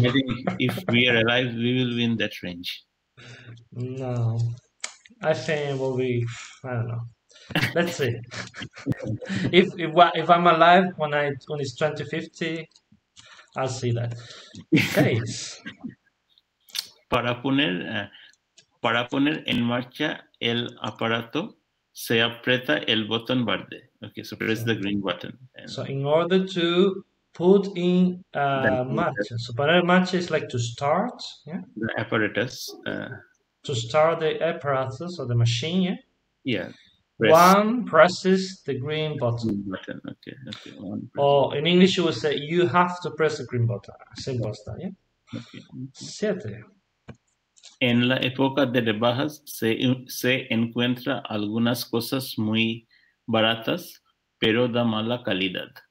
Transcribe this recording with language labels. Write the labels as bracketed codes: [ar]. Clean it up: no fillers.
[en] If we are alive, we will be in that range. No, I think it will be. I don't know. Let's see. If I'm alive when it's 2050, I'll see that. [es] Seis. Para poner en marcha el aparato, se aprieta el botón verde. [en] Okay, so press the green button. So in order to put in match, so para match is like to start, yeah? The apparatus, To start the apparatus or the machine, yeah? yeah, press One presses the green button. button. Okay, one press. Or in English, you would say you have to press the green button, simple as that, yeah? Okay. [es] Siete. En la época de rebajas se encuentra algunas cosas muy baratas, pero de mala calidad.